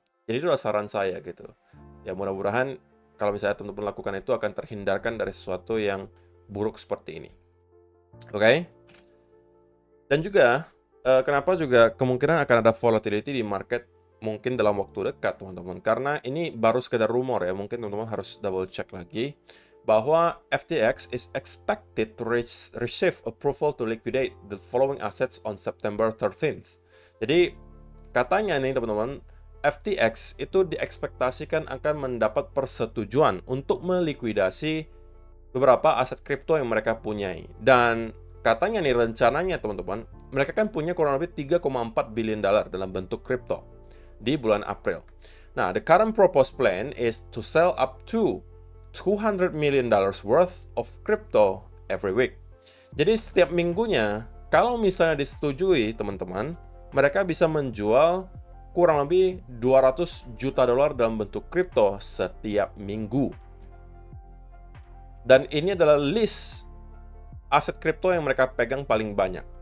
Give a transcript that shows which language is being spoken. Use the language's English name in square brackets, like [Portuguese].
[Indonesian] Jadi itulah saran saya gitu. Ya mudah-mudahan kalau misalnya teman-teman lakukan itu akan terhindarkan dari sesuatu yang buruk seperti ini. Oke? Dan juga, kenapa juga kemungkinan akan ada volatility di market mungkin dalam waktu dekat teman-teman, karena ini baru sekedar rumor ya, mungkin teman-teman harus double check lagi [English] bahwa FTX is expected to receive approval to liquidate the following assets on September 13th. [Indonesian] Jadi katanya nih teman-teman, FTX itu diekspektasikan akan mendapat persetujuan untuk melikuidasi beberapa aset kripto yang mereka punyai. Dan katanya nih rencananya teman-teman, mereka kan punya kurang lebih 3,4 billion dollar dalam bentuk kripto di bulan April. [English] Nah, the current proposed plan is to sell up to 200 million dollars worth of crypto every week. [Indonesian] Jadi setiap minggunya, kalau misalnya disetujui teman-teman, mereka bisa menjual kurang lebih 200 juta dolar dalam bentuk kripto setiap minggu. Dan ini adalah list aset kripto yang mereka pegang paling banyak.